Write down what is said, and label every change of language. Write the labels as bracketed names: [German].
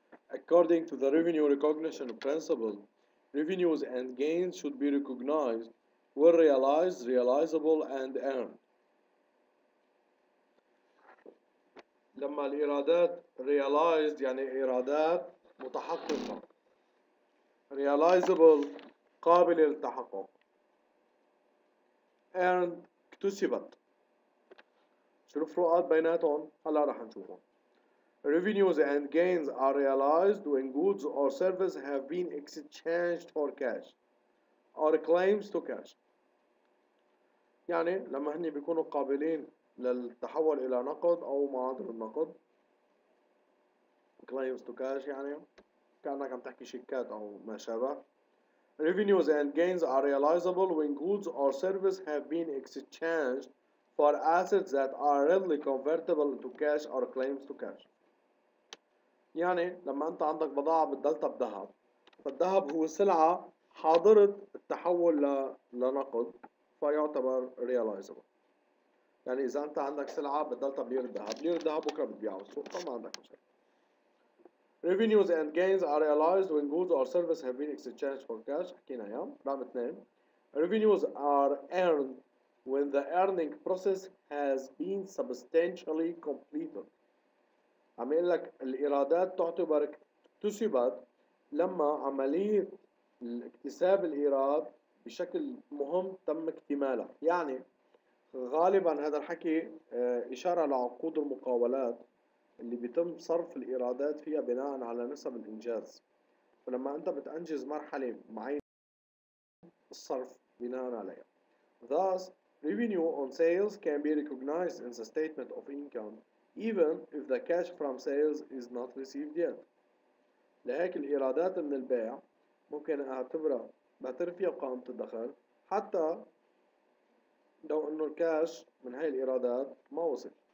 [English] According to the revenue recognition principle, revenues and gains should be recognized, were realized, realizable, and earned. [Arabic] لما الإيرادات realized يعني إيرادات متحققة، realizable قابلة للتحقق، earned اكتسبت. شو الفروقات بيناتهم؟ هلا رح نشوفهم. [English] Revenues and gains are realized when goods or services have been exchanged for cash or claims to cash. [Arabic] يعني لما هن بيكونوا قابلين للتحول إلى نقد أو معادل النقد. Claims to cash يعني كأنك عم تحكي شيكات أو ما شابه. [English] Revenues and gains are realizable when goods or services have been exchanged for assets that are readily convertible into cash or claims to cash. [Arabic] يعني لما انت عندك بضاعة بدلتها بذهب، فالذهب هو سلعة حاضرة التحول لنقد فيعتبر realizable. يعني إذا انت عندك سلعة بدلتها بلير الذهب، لير الذهب بكرة بتبيعه السوق، فما عندك مشكلة. [English] Revenues and gains are realized when goods or services have been exchanged for cash، [Arabic] حكينا اياها. رقم اثنين، [English] Revenues are earned when the earning process has been substantially completed. [Arabic] عم يقول لك الإيرادات تعتبر اكتسبت لما عملية اكتساب الإيراد بشكل مهم تم اكتمالها. يعني غالبا هذا الحكي إشارة لعقود المقاولات اللي بيتم صرف الإيرادات فيها بناء على نسب الإنجاز. فلما أنت بتأنجز مرحلة معينة الصرف بناء عليها. [English] Thus, revenue on sales can be recognized in the statement of income even if the cash from sales is not received yet. [Arabic] لهيك الإيرادات من البيع ممكن أعتبرها بعترف فيها بقائمة الدخل حتى لو إنه الكاش من هاي الإيرادات ما وصل.